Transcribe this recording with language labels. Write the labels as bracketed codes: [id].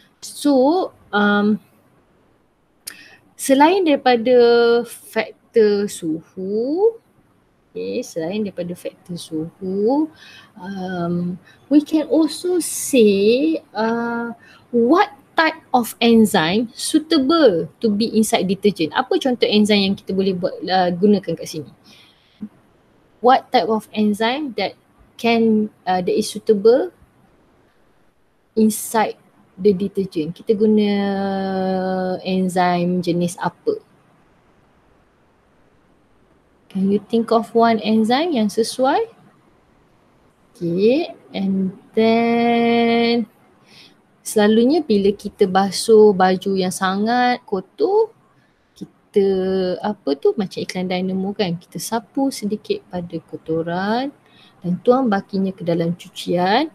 [ms] So selain daripada faktor suhu, okay, selain daripada faktor suhu, [en] we can also say what type of enzyme suitable to be inside detergent? [ms] Apa contoh enzyme yang kita boleh buat gunakan kat sini? [en] What type of enzyme that can that is suitable inside the detergent? [ms] Kita guna enzyme jenis apa? [en] Can you think of one enzyme [ms] yang sesuai? Okay, and then selalunya bila kita basuh baju yang sangat kotor, kita apa tu, macam iklan Dynamo kan, kita sapu sedikit pada kotoran dan tuang bakinya ke dalam cucian.